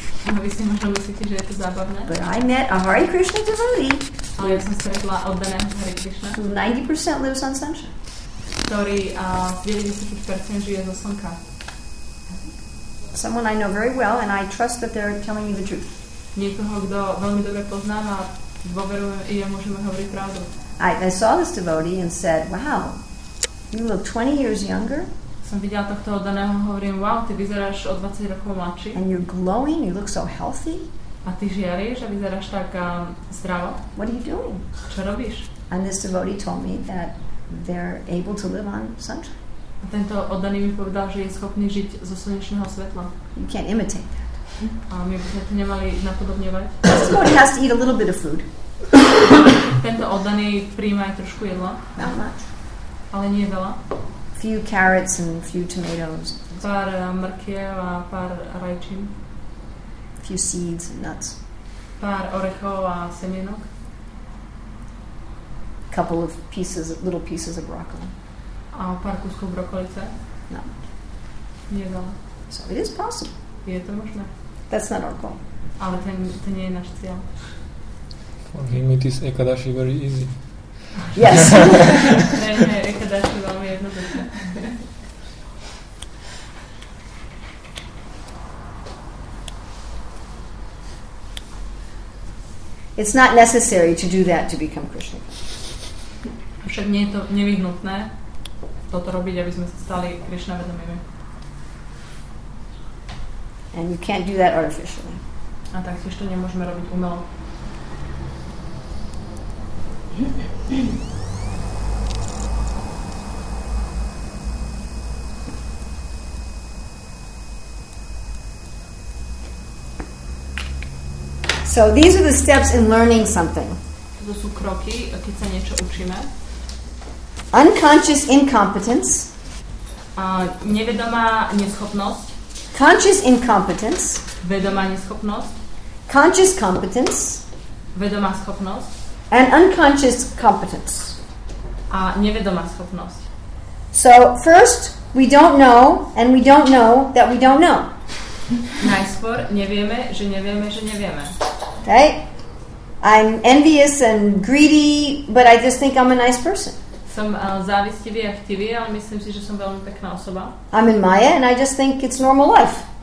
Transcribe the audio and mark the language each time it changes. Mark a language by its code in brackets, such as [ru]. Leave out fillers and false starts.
[en] But I met a Hare Krishna devotee. [sk] Ale ja som stretla oddaného Hare Krishna. [en] 90% lives on sunshine. [sk] Ktorý 90% žije zo slnka. [en] Someone I know very well and I trust that they're telling me the truth. [sk] Niekoho, kto veľmi dobre poznám a dôverujem, ja môžem hovoriť pravdu. [en] I saw this devotee and said, wow, you look 20 years younger. [sk] Som videla tohto oddaného, hovorím, wow, ty vyzeráš o 20 rokov mladší. [en] And you're glowing, you look so healthy. [sk] A ty žiaríš a vyzeráš tak zdravo. [en] What are you doing? [sk] Čo robíš? [en] And this devotee told me that they're able to live on sunshine. [sk] A tento oddaný mi povedal, že je schopný žiť zo slnečného svetla. [en] You can't imitate that. [sk] A my by sme to nemali napodobňovať. [en] This devotee has to eat a little bit of food. [sk] Tento oddaný prijíma aj trošku jedla. [en] Not much. [sk] Ale nie veľa. [en] Few carrots and few tomatoes. [sk] Pár mrkiev a pár rajčín. [en] Few seeds and nuts. [sk] Pár orechov a semienok. [en] Couple of pieces, little pieces of broccoli. [sk] A pár kuskov brokolice. [en] No. [sk] Nie veľa. [en] So it is possible. [sk] Je to možné. [en] That's not our goal. [sk] Ale to nie je náš cieľ. [en] For him it is ekadashi very easy. Yes. [sk] Ne, ekadashi veľmi jednoduché. [en] It's not necessary to do that to become Krishna. [sk] Však nie je to nevyhnutné toto robiť, aby sme sa stali Krishna vedomými. [en] And you can't do that artificially. [sk] A tak si to nemôžeme robiť umelo. [en] So these are the steps in learning something. [sk] To sú kroky, keď sa niečo učíme. [en] Unconscious incompetence. [sk] Nevedomá neschopnosť. [en] Conscious incompetence. [sk] Vedomá neschopnosť. [en] Conscious competence. [sk] Vedomá schopnosť. [en] And unconscious competence. [sk] A nevedomá schopnosť. [en] So first we don't know and we don't know that we don't know. [sk] Najskôr nevieme, že nevieme, že nevieme. [en] Okay? I'm envious and greedy, but I just think I'm a nice person. [sk] Som závistivý a chtivý, ale myslím si, že som veľmi pekná osoba. [en] I'm in Maya and I just think it's normal life.